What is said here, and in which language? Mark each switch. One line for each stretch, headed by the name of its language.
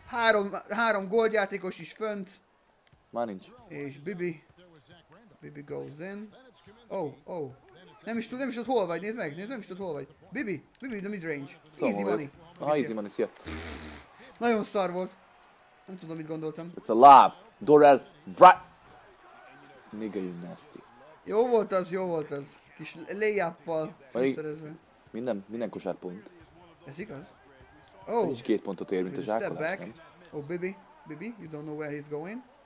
Hungarian: 3 góljátékos is fönt. Már nincs.
English: És Bibi goes in. Oh.
Hungarian: Nem is tudod, hol vagy, nézd meg, nem is tudod, hol vagy.
English: Bibi, the midrange. Easy money,
Hungarian: szia. Nagyon szar volt. Nem tudom, mit gondoltam.
English: It's a lob. Dorel, right. Nigga, you nasty.
Hungarian: Jó volt az, jó volt az. Kis layup-pal felszerezve. Minden kosárpont. Ez igaz? Oh. Nincs két pontot ér, mint a zsákolás, nem?
English: Oh, baby, you don't know where he's going.